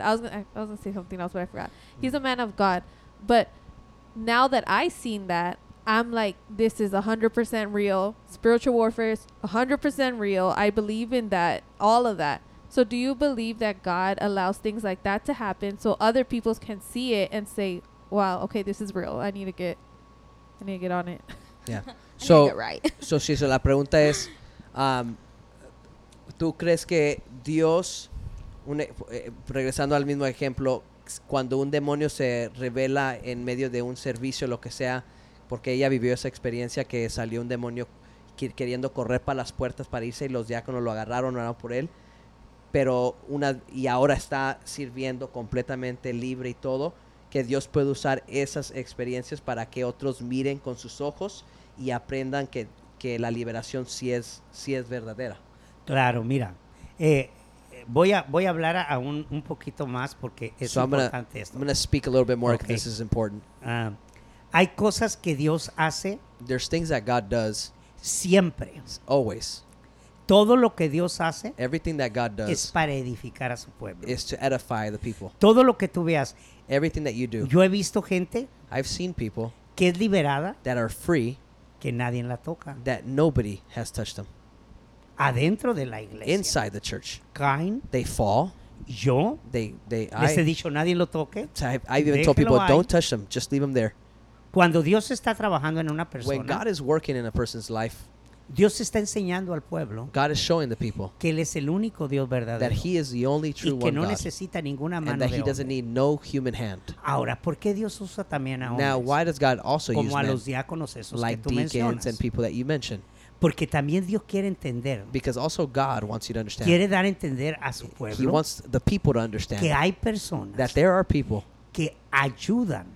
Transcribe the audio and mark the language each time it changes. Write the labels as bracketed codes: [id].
[en] I was gonna say something else, but I forgot. He's a man of God. But now that I've seen that, I'm like, this is 100% real. Spiritual warfare is 100% real. I believe in that, all of that. So do you believe that God allows things like that to happen so other people can see it and say, wow, okay, this is real. I need to get on it. Yeah. I so need to get right. [es] So si eso, la pregunta es, ¿tú crees que Dios... regresando al mismo ejemplo, cuando un demonio se revela en medio de un servicio, lo que sea, porque ella vivió esa experiencia que salió un demonio queriendo correr para las puertas para irse y los diáconos lo agarraron, no eran por él, pero y ahora está sirviendo completamente libre y todo, que Dios puede usar esas experiencias para que otros miren con sus ojos y aprendan que la liberación sí es verdadera. Claro, mira, Voy a hablar a un poquito más porque es [en] so [es] importante [en] gonna, [es] esto. [en] I'm going to speak a little bit more because this is important. [es] Hay cosas que Dios hace. [en] There's things that God does. [es] Siempre. [en] Always. [es] Todo lo que Dios hace. [en] Everything that God does. [es] Es para edificar a su pueblo. [en] Is to edify the people. [es] Todo lo que tú veas. [en] Everything that you do. [es] Yo he visto gente. [en] I've seen people. [es] Que es liberada. [en] That are free. [es] Que nadie la toca. [en] That nobody has touched them. [es] Adentro de la iglesia. [en] Inside the church. [es] Caen. [en] They fall. [es] Yo. [en] They [es] les he dicho, nadie lo toque. [en] I've even told people, [es] ahí. [en] Don't touch them. Just leave them there. [es] Cuando Dios está trabajando en una persona. [en] When God is working in a person's life. [es] Dios está enseñando al pueblo. [en] God is showing the people. [es] Que él es el único Dios verdadero. [en] That he is the only true one God. [es] Y que no necesita ninguna mano de hombre. [en] And that he doesn't need no human hand. [es] Ahora, ¿por qué Dios usa también a hombres? [en] Now, why does God also [es] como [en] use men? [es] Como a los diáconos esos [en] like [es] que tú mencionas. [en] Like deacons and people that you mentioned. [es] Porque también Dios quiere entender. [en] Because also God wants you to understand. [es] Quiere dar a entender a su pueblo. [en] He wants the people to understand. [es] Que hay personas. [en] That there are people. [es] Que ayudan.